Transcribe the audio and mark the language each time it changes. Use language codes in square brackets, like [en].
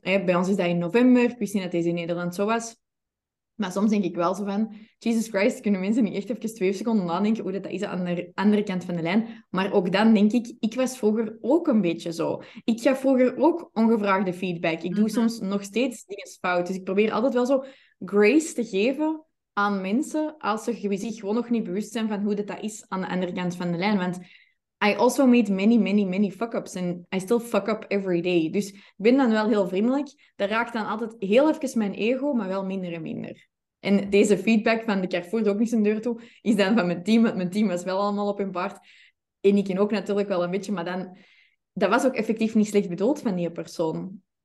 [nl] Bij ons is dat in november. Ik wist niet dat deze in Nederland zo was. Maar soms denk ik wel zo van, Jesus Christ, kunnen mensen niet echt even 2 seconden nadenken hoe dat is aan de andere kant van de lijn. Maar ook dan denk ik, ik was vroeger ook een beetje zo. Ik gaf vroeger ook ongevraagde feedback. Ik doe soms nog steeds dingen fout. Dus ik probeer altijd wel zo grace te geven aan mensen als ze zich gewoon nog niet bewust zijn van hoe dat is aan de andere kant van de lijn. [en] Want I also made many, many, many fuck-ups. And I still fuck up every day. [nl] Dus ik ben dan wel heel vriendelijk. Dat raakt dan altijd heel even mijn ego, maar wel minder en minder. En deze feedback van de Carrefour, ook niet zijn deur toe, is dan van mijn team. Want mijn team was wel allemaal op hun paard. En ik ook natuurlijk wel een beetje. Maar dan, dat was ook effectief niet slecht bedoeld van die persoon.